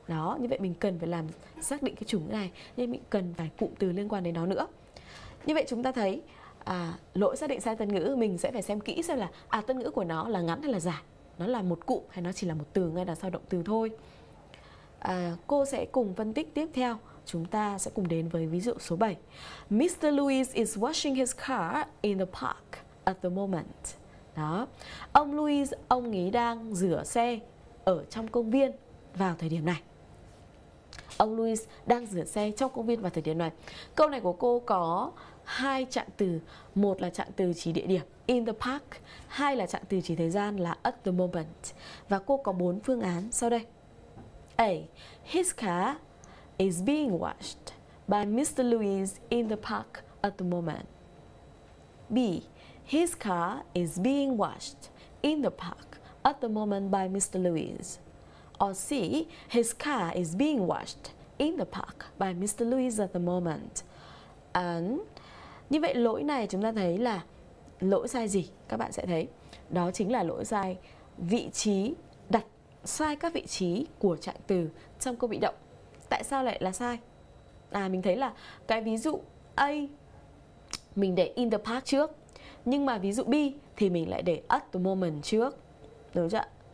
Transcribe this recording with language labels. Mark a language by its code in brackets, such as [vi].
[vi] Đó, như vậy mình cần phải làm xác định cái chủ ngữ này, nên mình cần phải cụm từ liên quan đến nó nữa. Như vậy chúng ta thấy lỗi xác định sai tân ngữ, mình sẽ phải xem kỹ xem là tân ngữ của nó là ngắn hay là dài, nó là một cụm hay nó chỉ là một từ ngay đằng sau động từ thôi. Cô sẽ cùng phân tích tiếp theo. Chúng ta sẽ cùng đến với ví dụ số 7. [en] Mr. Louis is washing his car in the park at the moment. [vi] Đó. Ông Louis, ông ấy đang rửa xe ở trong công viên vào thời điểm này. Ông Louis đang rửa xe trong công viên vào thời điểm này. Câu này của cô có 2 trạng từ. Một là trạng từ chỉ địa điểm [en] in the park, [vi] hai là trạng từ chỉ thời gian là [en] at the moment. [vi] Và cô có 4 phương án sau đây. [en] A. His car is being washed by Mr. Louis in the park at the moment. B. His car is being washed in the park at the moment by Mr. Louis. Or C. His car is being washed in the park by Mr. Louis at the moment. [vi] And như vậy lỗi này chúng ta thấy là lỗi sai gì? Các bạn sẽ thấy đó chính là lỗi sai vị trí, sai các vị trí của trạng từ trong câu bị động. Tại sao lại là sai? À, mình thấy là cái ví dụ A mình để [en] in the park [vi] trước, nhưng mà ví dụ B thì mình lại để [en] at the moment [vi] trước, đúng chưa?